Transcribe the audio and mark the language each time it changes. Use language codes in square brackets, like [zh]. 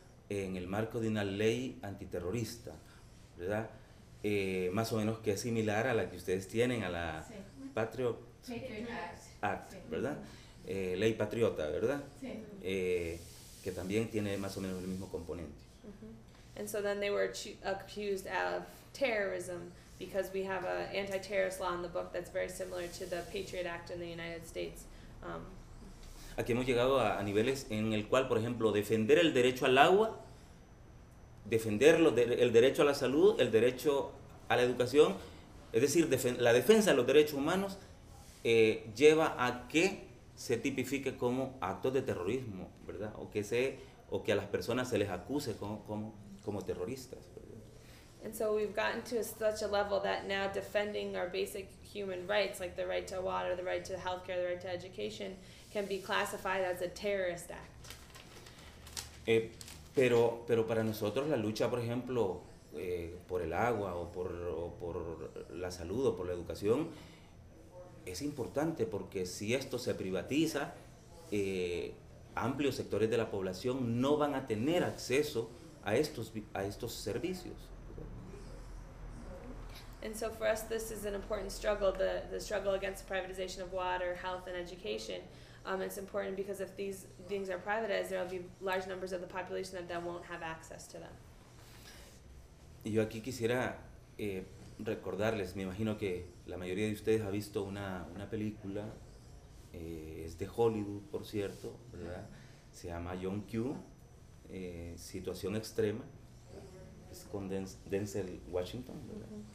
[es] En el marco de una ley antiterrorista, ¿verdad? Más o menos que es similar a la que ustedes tienen, a la sí. Patriot Act, ¿verdad? Ley patriota, ¿verdad? Sí. Que también tiene más o menos el mismo componente. Uh-huh. [en] And so then they were accused of terrorism because we have an anti-terrorist law in the book that's very similar to the Patriot Act in the United States. [es] Aquí hemos llegado a niveles en el cual, por ejemplo, defender el derecho al agua, defender el derecho a la salud, el derecho a la educación, es decir, la defensa de los derechos humanos lleva a que se tipifique como actos de terrorismo, ¿verdad? O que a las personas se les acuse como terroristas, ¿verdad? [en] And so we've gotten to such a level that now defending our basic human rights, like the right to water, the right to healthcare, the right to education, can be classified as a terrorist act. [es] Pero para nosotros la lucha, por ejemplo, por el agua o por la salud o por la educación es importante porque si esto se privatiza, amplios sectores de la población no van a tener acceso a estos servicios. [en] And so for us this is an important struggle, the struggle against the privatization of water, health and education. It's important because if these things are privatized, there will be large numbers of the population that then won't have access to them. [es] Yo aquí quisiera recordarles, me imagino que la mayoría de ustedes ha visto una película, es de Hollywood, por cierto, ¿verdad? Se llama John Q, Situación Extrema, es con Denzel Washington, ¿verdad?